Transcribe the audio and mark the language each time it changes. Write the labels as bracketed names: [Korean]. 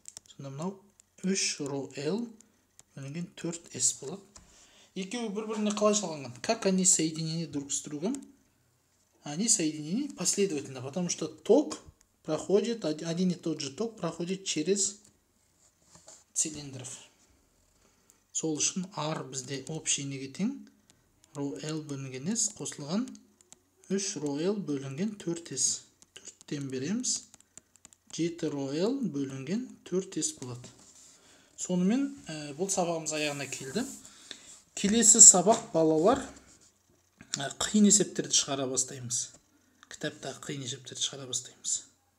[Kazakh] Сонда мынау 3 Ро L бөлінген 4 S болады. Екеу бір-біріне қалай жасалған? [Russian] Как они соединены друг с другом? Они соединены последовательно, потому что ток проходит, один и тот же ток проходит через цилиндров. [Kazakh] Сол үшін R бізде общий неге тең? Ро L бөлінген S қосылған 3 Ро L бөлінген 4 S. 4-тен береміз. 7 Ро L бөлінген 4 S болады. Сонымен бұл сабағымыз аяғына келді. Келесі сабақ балалар. Қиын есептерді шығара бастаймыз. Кітапта қиын есептерді шығара бастаймыз.